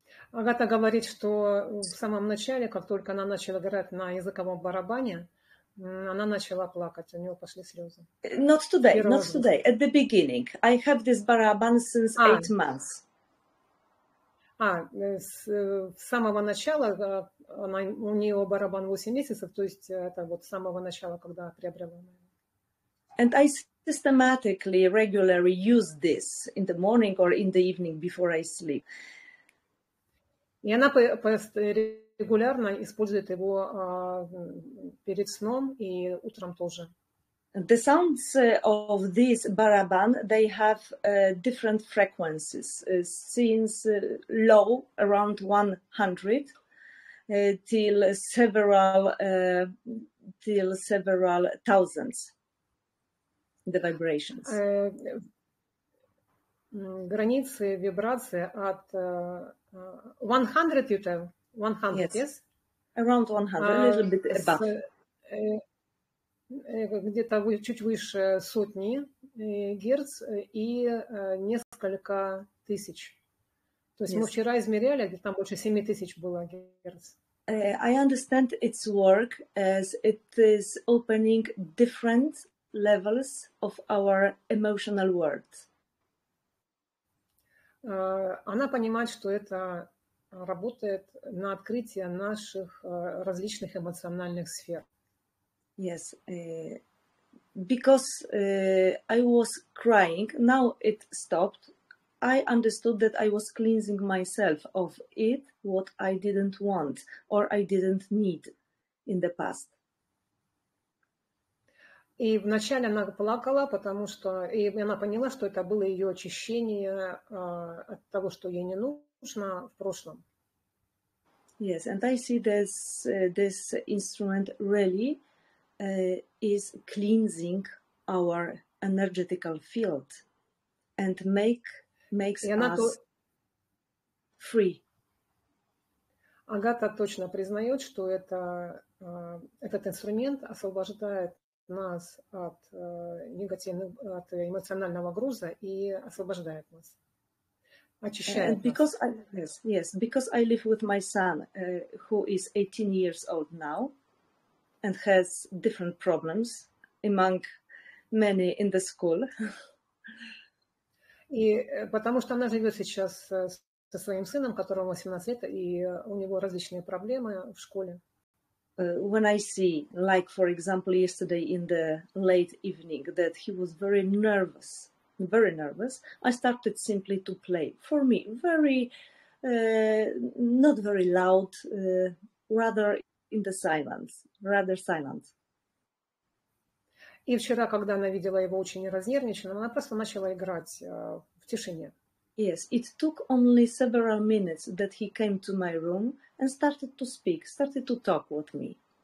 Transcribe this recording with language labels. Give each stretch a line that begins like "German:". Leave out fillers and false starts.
Russian: Агата говорит, что в самом начале, как только она начала играть на языковом барабане, она начала плакать, у нее пошли слезы.
English: Not today, not today. At the beginning. I have this барабан since 8 months.
Russian: С самого начала, у нее барабан 8 месяцев, то есть это вот с самого начала, когда приобрела.
English: And I systematically, regularly use this in the morning or in the evening before I sleep.
Russian: И она регулярно использует его перед сном и утром тоже.
English: The sounds of this baraban, they have different frequencies, since low, around 100, till several thousands, the vibrations.
Russian: Границы вибрации от 100,
English: you tell? 100, yes? Around 100, a little bit above.
Russian: Где-то чуть выше сотни герц и несколько тысяч. То есть yes. Мы вчера измеряли, где там больше 7 тысяч было герц.
English: I understand its work as it is opening different levels of our emotional world.
Russian: Она понимает, что это работает на открытие наших различных эмоциональных сфер.
English: Yes, because I was crying, now it stopped. I understood that I was cleansing myself of it, what I didn't want or I didn't need in the past.
Russian: И вначале она плакала, потому что и она поняла, что это было ее очищение от того, что ей не нужно в прошлом.
English: Yes, and I see this instrument really is cleansing our energetical field and makes us free.
Russian: Агата точно признает, что это этот инструмент освобождает нас от негативных, от эмоционального груза и освобождает нас, очищает нас.
English: Because I live with my son, who is 18 years old now, and has different problems among many in the school.
Russian: И потому что она живет сейчас со своим сыном, которому 18 лет, и у него различные проблемы в школе.
English: When I see, like, for example, yesterday in the late evening, that he was very nervous, I started simply to play. For me, very, not very loud, rather in the silence, rather silent.
Russian: И вчера, когда она видела его очень разнервничанным, она просто начала играть в тишине.
English: Yes, it took only several minutes that he came to my room and started to speak, started to talk with me.